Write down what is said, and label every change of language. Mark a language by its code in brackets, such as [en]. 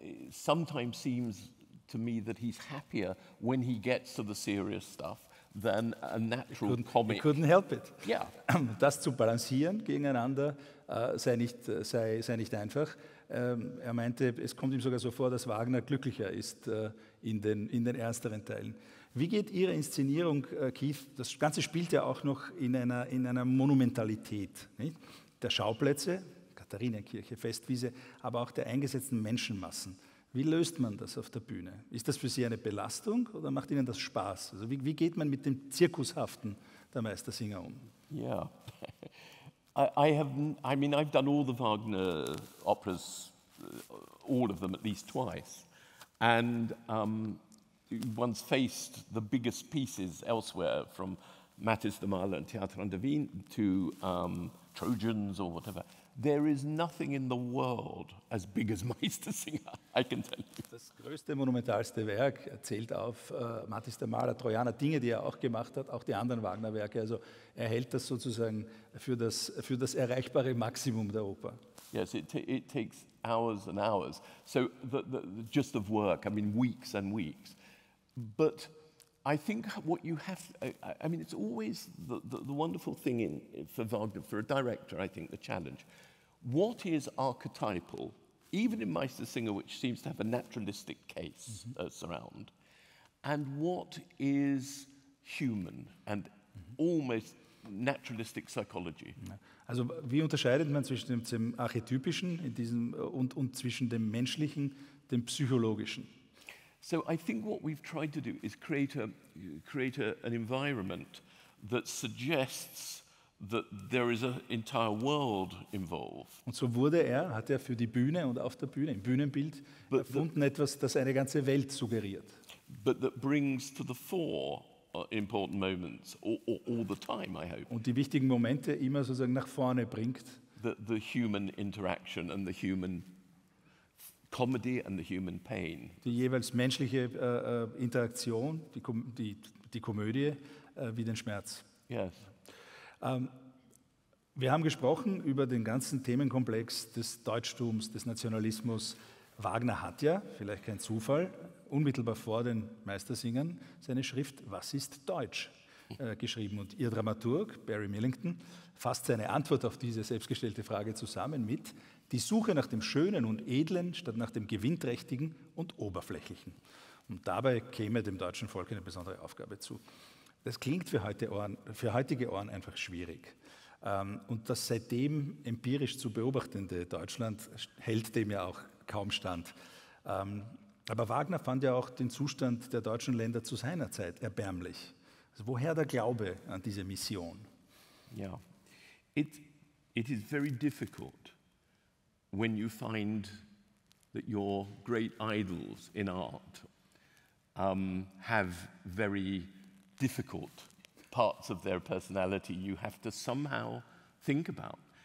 [en] Sometimes seems to me that he's happier when he gets to the serious stuff than a natural comic. He couldn't help it. Yeah. [de] Das zu balancieren gegeneinander sei nicht einfach. Er meinte, es kommt ihm sogar so vor, dass Wagner glücklicher ist in den ersteren Teilen. Wie geht Ihre Inszenierung, Keith, das Ganze spielt ja auch noch in einer Monumentalität, nicht? Der Schauplätze, Katharinenkirche, Festwiese, aber auch der eingesetzten Menschenmassen. Wie löst man das auf der Bühne? Ist das für Sie eine Belastung oder macht Ihnen das Spaß? Also wie geht man mit dem Zirkushaften der Meistersinger um? [en] Ja, I've done all the Wagner operas, all of them at least twice, and once faced the biggest pieces elsewhere, from Matthias de Mahler and Theater an der Wien to Trojans or whatever. There is nothing in the world as big as Meistersinger, I can tell you. [de] Das größte, monumentalste Werk zählt auf Matthias de Mahler, Trojaner, Dinge, die er auch gemacht hat, auch die anderen Wagner-Werke. Also er hält das sozusagen für das erreichbare Maximum der Oper. [en] Yes, it takes hours and hours. So the just of work, I mean weeks and weeks. But I think what you have, I mean, it's always the wonderful thing for Wagner, for a director, I think, the challenge. What is archetypal, even in Meistersinger, which seems to have a naturalistic case surround, and what is human and almost naturalistic psychology? [de] Also, wie unterscheidet man zwischen dem Archetypischen in diesem, und zwischen dem Menschlichen, dem Psychologischen? [en] So I think what we've tried to do is create an environment that suggests that there is an entire world involved. [de] Und so wurde er, hat er für die Bühne und auf der Bühne, im Bühnenbild, but erfunden the, etwas, das eine ganze Welt suggeriert. [en] But that brings to the fore important moments all the time, I hope. [de] Und die wichtigen Momente immer sozusagen nach vorne bringt. [en] The human interaction and the human comedy and the human pain. [de] Die jeweils menschliche Interaktion, die Komödie, wie den Schmerz. [en] Yes. [de] Wir haben gesprochen über den ganzen Themenkomplex des Deutschtums, des Nationalismus. Wagner hat ja, vielleicht kein Zufall, unmittelbar vor den Meistersingern seine Schrift Was ist Deutsch? Geschrieben. Und Ihr Dramaturg, Barry Millington, fasst seine Antwort auf diese selbstgestellte Frage zusammen mit die Suche nach dem Schönen und Edlen statt nach dem Gewinnträchtigen und Oberflächlichen. Und dabei käme dem deutschen Volk eine besondere Aufgabe zu. Das klingt für heutige Ohren einfach schwierig. Und das seitdem empirisch zu beobachtende Deutschland hält dem ja auch kaum stand. Aber Wagner fand ja auch den Zustand der deutschen Länder zu seiner Zeit erbärmlich. Also woher der Glaube an diese Mission? [en] Ja, it is very difficult when you find that your great idols in art have very difficult parts of their personality you have to somehow think about.